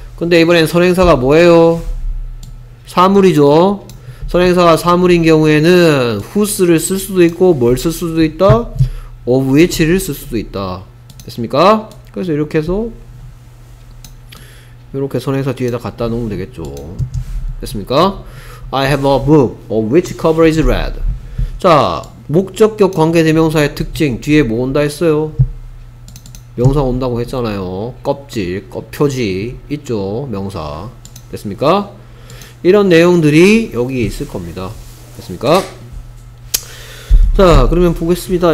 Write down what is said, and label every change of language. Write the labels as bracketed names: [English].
[Korean] 근데 이번엔 선행사가 뭐예요? 사물이죠. 선행사가 사물인 경우에는 후스를 쓸 수도 있고 뭘 쓸 수도 있다? of which를 쓸 수도 있다. 됐습니까? 그래서 이렇게 해서 이렇게 선행사 뒤에다 갖다 놓으면 되겠죠. 됐습니까? [English] I have a book of which cover is red. [Korean] 자, 목적격 관계대명사의 특징 뒤에 뭐 온다 했어요? 명사 온다고 했잖아요. 껍질, 표지 있죠. 명사. 됐습니까? 이런 내용들이 여기 있을 겁니다. 됐습니까? 자, 그러면 보겠습니다.